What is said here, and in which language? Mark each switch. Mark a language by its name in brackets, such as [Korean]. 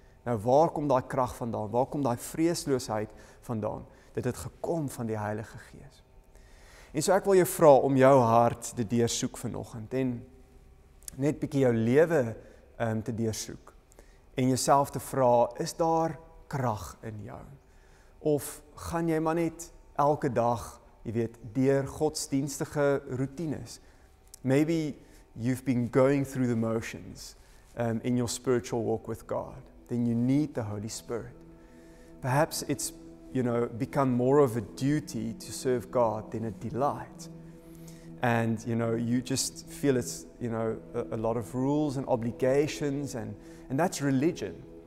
[Afrikaans] Nou waar kom daai krag vandaan? Waar kom daai vreesloosheid vandaan? Dit het gekom van die Heilige Gees. En so ek wil jou vra om jou hart te deursoek vanoggend en net bietjie jou lewe te deursoek en jouself te vra, is daar krag in jou? Of gaan jy maar net elke dag, jy weet, deur godsdienstige routines? [English] Maybe you've been going through the motions in your spiritual walk with God. Then you need the Holy Spirit. Perhaps it's, you know, become more of a duty to serve God than a delight. And, you know, you just feel it's, you know, a lot of rules and obligations and that's religion.